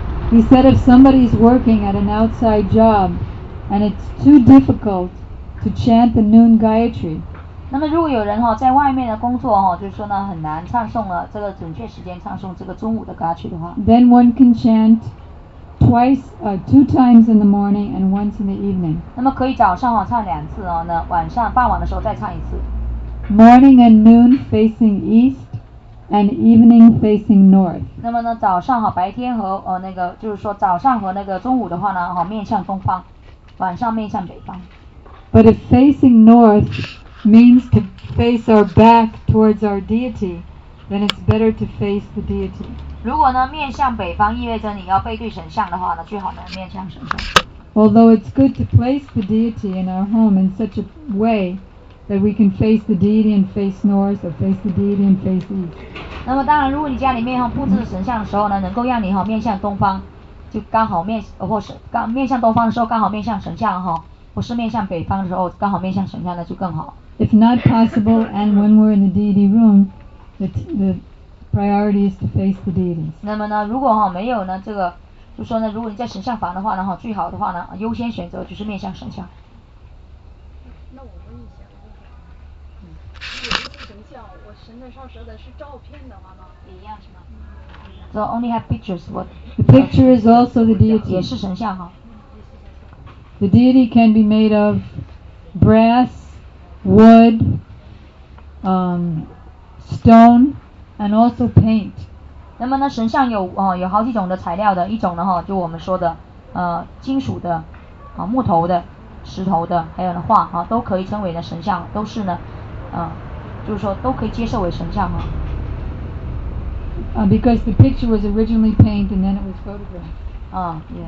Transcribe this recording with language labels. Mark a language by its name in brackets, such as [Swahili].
[English] He said if somebody is working at an outside job, and it's too difficult to chant the noon Gayatri. [Chinese] 那么如果有人哈在外面的工作哈，就是说呢很难唱诵了这个准确时间唱诵这个中午的 Gayatri 的话 [English] ，Then one can chant twice, two times in the morning and once in the evening. [Chinese] 那么可以早上哈唱两次哦，那晚上傍晚的时候再唱一次。 [English] Morning and noon facing east, and evening facing north. [Chinese] 那么呢早上哈白天和那个就是说早上和那个中午的话呢哈面向东方，晚上面向北方。 [English] But if facing north means to face our back towards our deity, then it's better to face the deity. [Chinese] 如果呢面向北方意味着你要背对神像的话呢，最好呢面向神像。 [English] Although it's good to place the deity in our home in such a way that we can face the deity and face north, or face the deity and face east. [Chinese] 那么当然，如果你家里面哈布置神像的时候呢，能够让你哈面向东方，就刚好面或是刚面向东方的时候刚好面向神像哈。不是面向北方的时候，刚好面向神像，那就更好。 [English] If not possible, and when we're in the deity room, the priority is to face the deity. [Chinese] 那么呢，如果哈没有呢，这个就说呢，如果你在神像房的话呢，哈，最好的话呢，优先选择就是面向神像。那我问一下，有一个神像，我神的上说的是照片的吗？也一样是吗？嗯、 [English] So only have pictures. What? The picture is also the deity. [Chinese] 也是神像哈。 [English] The deity can be made of brass, wood, stone, and also paint. [Chinese] 那么呢，神像有啊、有好几种的材料的，一种呢哈，就我们说的金属的，啊木头的、石头的，还有呢画啊，都可以称为呢神像，都是呢，就是说都可以接受为神像哈。 [English] Because the picture was originally painted and then it was photographed.